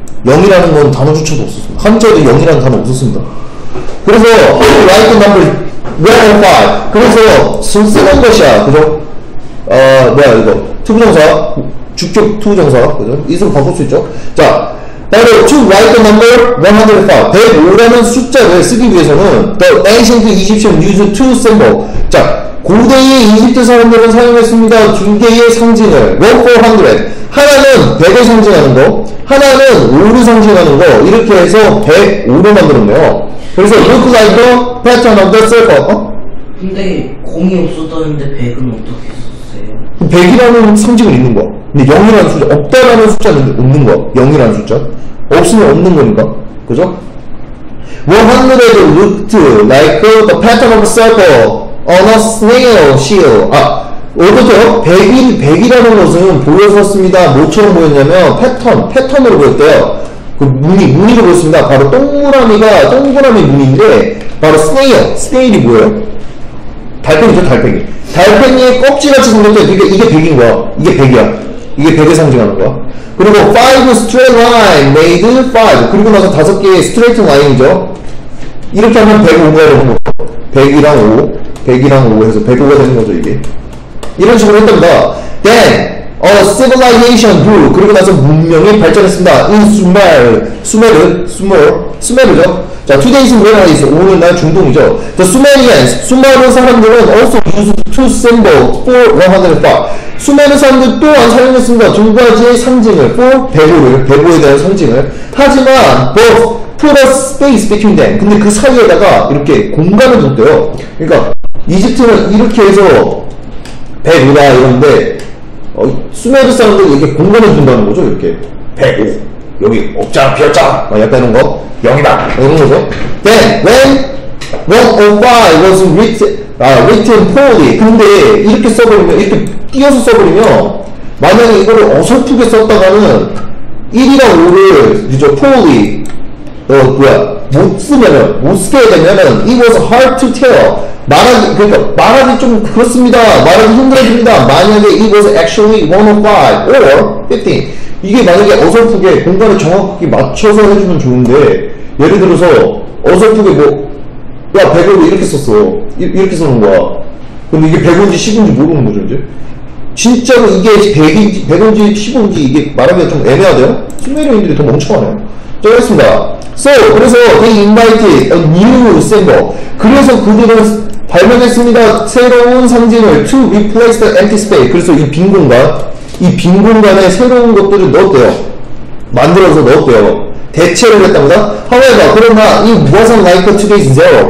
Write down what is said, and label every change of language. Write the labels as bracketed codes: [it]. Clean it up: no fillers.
[ko] 0이라는 건 단어조차도 없었어요. 한자도 0이라는 단어 없었습니다. 그래서 [en] like the number 105. [ko] 그래서 쓰는 것이야, 그죠? 뭐야 이거 투부정사 주격 투부정사 그죠? 이수로 바꿀 수 있죠. 자, 바로 [en] to write the number 105. [ko] 105라는 숫자를 쓰기 위해서는 [en] the ancient Egyptian used two symbol. [ko] 자, 고대의 이집트 사람들은 사용했습니다 두 개의 상징을. 100. 하나는 100을 상징하는 거, 하나는 5를 상징하는 거. 이렇게 해서 105를 만들었네요. 그래서 [en] look like a pattern of the circle. [ko] 근데 공이 없었다는데 100은 어떻게 했어요? 100이라는 상징은 있는 거야. 근데 0이라는 숫자, 없다라는 숫자는 없는 거야. 0이라는 숫자 없으면 없는 거니까, 그죠? [en] 100 looked like the pattern of a circle on a snail shield. [ko] 아, 어떠세요? 100이라는 것은 보였었습니다. 뭐처럼 보였냐면 패턴으로 보였대요. 그 무늬로 보였습니다. 바로 동그라미가 동그라미 무늬인데 바로 스네일이 뭐예요? 달팽이죠. 달팽이의 껍질같이 생겼대. 그러니까 이게 100인 거야. 이게 100을 상징하는 거야. 그리고 [en] 5 straight line made 5. [ko] 그리고 나서 다섯 개의 스트레이트 라인이죠. 이렇게 하면 105가 되는 거죠. 100이랑 5 해서 105가 되는 거죠. 이게 이런 식으로 했답니다. [en] Then a civilization grew. [ko] 그리고 나서 문명이 발전했습니다. [en] In Sumer. [ko] Sumer이죠. 자, [en] today's where is [ko] 오늘날 중동이죠. [en] The Sumerians, [ko] 수메르 사람들은 [en] also used two symbols for 105. [ko] 수메르 사람들 또한 사용했습니다. 두 가지의 상징을 for 배고에 대한 상징을. 하지만 [en] both put a space between them. [ko] 근데 그 사이에다가 이렇게 공간을 뒀대요. 그러니까 이집트는 이렇게 해서 배우라 이런데 수메르 사람들이 이렇게 공간을 준다는 거죠. 이렇게 배우 여기 옥자 피었자 막 약간 거 여기다 이런 거죠. [en] Then when 105 was written poorly. [ko] 근데 이렇게 써버리면 이렇게 띄어서 써버리면 만약에 이거를 어설프게 썼다가는 1이나 5를 이제 poorly 뭐야 못 쓰면은 못 쓰게 되면은 [en] it was hard to tell. [ko] 말하기 좀 그렇습니다. 말하기 힘들어집니다. 만약에 [en] it was actually 105 or 15. [ko] 이게 만약에 어설프게 공간을 정확히 맞춰서 해주면 좋은데, 예를 들어서 어설프게 뭐, 야, 100으로 이렇게 썼어. 이렇게 써는 거야. 근데 이게 100인지 10인지 모르는 거죠, 이제. 진짜로 이게 100인지, 100인지 10인지 이게 말하기가 좀 애매하대요? 수메리인들이 더 멍청하네요. 자, 됐습니다. [en] So, [ko] 그래서 [en] they invited a new symbol. [ko] 그래서 그들은 발명했습니다. 새로운 상징을 [en] to replace the empty space. [ko] 그래서 이 빈 공간, 이 빈 공간에 새로운 것들을 넣었대요. 만들어서 넣었대요. 대체를 했답니다. [en] However, [ko] 그러나 [en] it wasn't like today's zero.